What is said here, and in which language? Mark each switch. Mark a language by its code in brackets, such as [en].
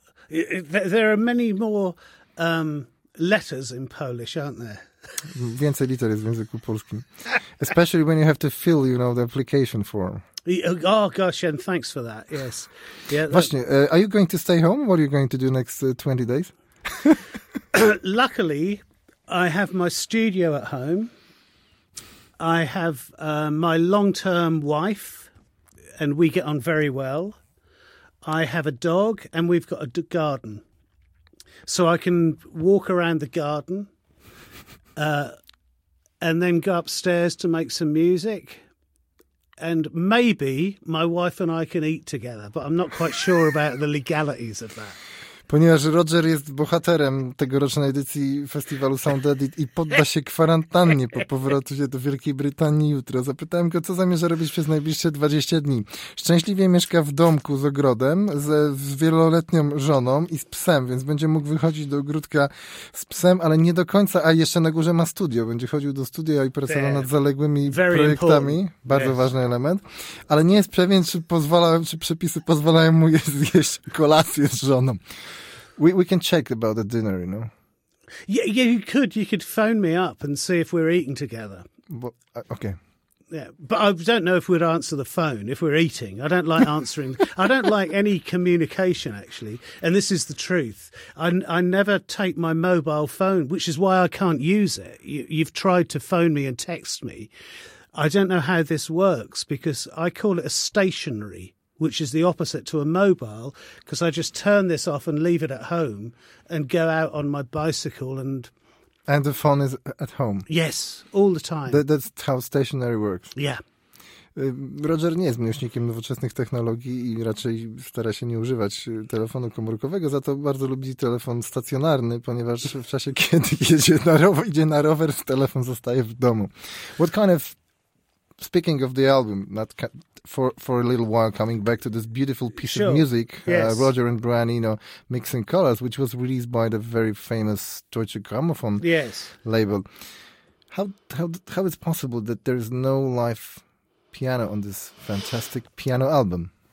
[en] There are many more letters in Polish, aren't there? [pl] Więcej liter jest w języku polskim. [en] Especially when you have to fill, you know, the application form. Oh, gosh, and thanks for that, yes. Yeah, [pl] właśnie, [en] are you going to stay home? What are you going to do next 20 days? Luckily, I have my studio at home. I have my long-term wife, and we get on very well. I have a dog, and we've got a garden. So I can walk around the garden and then go upstairs to make some music. And maybe my wife and I can eat together, but I'm not quite sure about the legalities of that. [pl] Ponieważ Roger jest bohaterem tegorocznej edycji festiwalu Sound Edit i podda się kwarantannie po powrocie do Wielkiej Brytanii jutro. Zapytałem go, co zamierza robić przez najbliższe 20 dni. Szczęśliwie mieszka w domku z ogrodem, z wieloletnią żoną i z psem, więc będzie mógł wychodzić do ogródka z psem, ale nie do końca, a jeszcze na górze ma studio. Będzie chodził do studia i pracował nad zaległymi projektami. [en] Important. [pl] Bardzo [en] yes. [pl] Ważny element. Ale nie jest pewien, czy przepisy pozwalają mu zjeść kolację z żoną. [en] We can check about the dinner, you know. Yeah, you could. You could phone me up and see if we're eating together. But, okay. Yeah, but I don't know if we'd answer the phone if we're eating. I don't like answering. I don't like any communication, actually. And this is the truth. I never take my mobile phone, which is why I can't use it. You've tried to phone me and text me. I don't know how this works because I call it a stationary, which is the opposite to a mobile, because I just turn this off and leave it at home and go out on my bicycle and... And the phone is at home? Yes, all the time. That's how stationary works? Yeah. [pl] Roger nie jest miłośnikiem nowoczesnych technologii i raczej stara się nie używać telefonu komórkowego, za to bardzo lubi telefon stacjonarny, ponieważ w czasie, kiedy idzie na rower, telefon zostaje w domu. [en] What kind of... Speaking of the album, for a little while, coming back to this beautiful piece sure. of music, yes. Roger and Brian Eno mixing colors, which was released by the very famous Deutsche Grammophon yes. label. How is it possible that there is no live piano on this fantastic piano album?